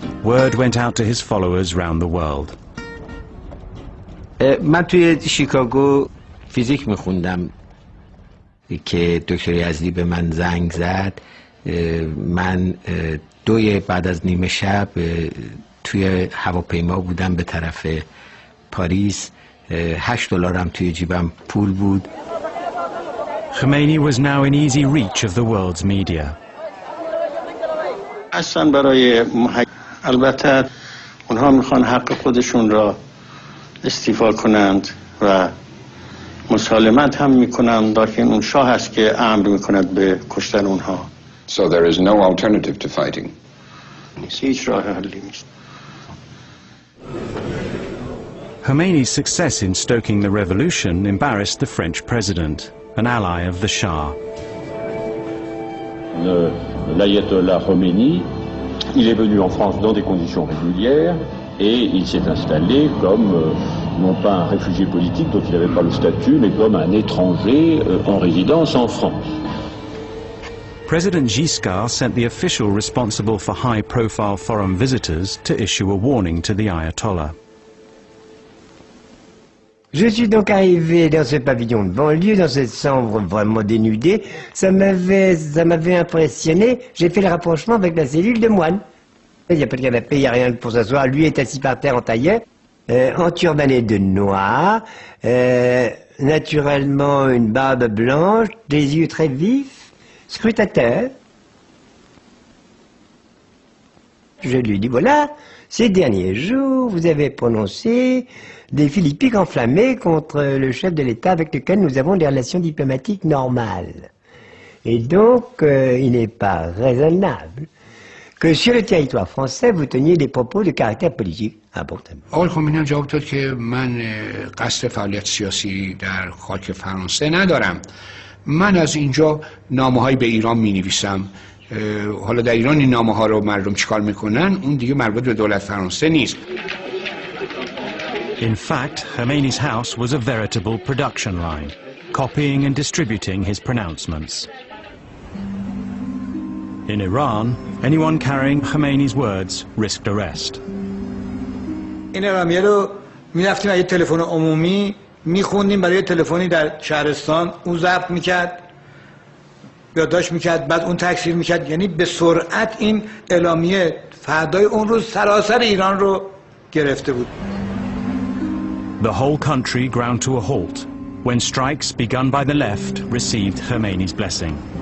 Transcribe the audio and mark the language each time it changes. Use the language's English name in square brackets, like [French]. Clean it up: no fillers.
[English] Word went out to his followers round the world. [Persian] من توی شیکاگو فیزیک میخوندم که دکتر یزدی به من زنگ زد. من دوی بعد از نیمه شب توی هواپیما بودم به طرف پاریس. $8 توی جیبم پول بود. [English] Khomeini was now in easy reach of the world's media. [Persian] اصلا برای البته اونها میخوان حق خودشون را استفاده کنند و مسالمت هم میکنند، لیکن اون شاه است که امر میکند به کشتن اونها. [English] So there is no alternative to fighting. [Persian] هیچ راه حلی نیست. [English] Khomeini's success in stoking the revolution embarrassed the French president, an ally of the Shah. [French] L'Ayatollah Khomeini, il est venu en France dans des conditions régulières et il s'est installé comme non pas un réfugié politique dont il n'avait pas le statut, mais comme un étranger en résidence en France. [English] President Giscard sent the official responsible for high-profile foreign visitors to issue a warning to the Ayatollah. [French] Je suis donc arrivé dans ce pavillon de banlieue, dans cette chambre vraiment dénudée. Ça m'avait impressionné. J'ai fait le rapprochement avec la cellule de moine. Il n'y a pas de canapé, il n'y a rien pour s'asseoir. Lui est assis par terre en tailleur, en turbané de noir, naturellement une barbe blanche, des yeux très vifs, scrutateur. Je lui dis, voilà, ces derniers jours, vous avez prononcé des philippiques enflammés contre le chef de l'État avec lequel nous avons des relations diplomatiques normales. Et donc, il n'est pas raisonnable que sur le territoire français, vous teniez des propos de caractère politique importants. Ah, Khomeini a répondu que je n'ai pas de politique en France. Je n'ai pas de politique en France. Je n'ai pas de [Persian] حالا در ایران این نامه ها رو مردم چیکار میکنن، اون دیگه مربوط به دولت فرانسه نیست. [English] In fact, Khomeini's house was a veritable production line, copying and distributing his pronouncements. In Iran, anyone carrying Khomeini's words risked arrest. [Persian] این اعلامیه رو می‌رفتیم از یه تلفن عمومی می‌خوندیم برای تلفنی در شهرستان، اون ضبط می‌کرد، یادداشت میکرد، بعد اون تکثیر میکرد. یعنی به سرعت این اعلامیه فردای اون روز سراسر ایران رو گرفته بود. [English] The whole country ground to a halt when strikes begun by the left received Khomeini's blessing.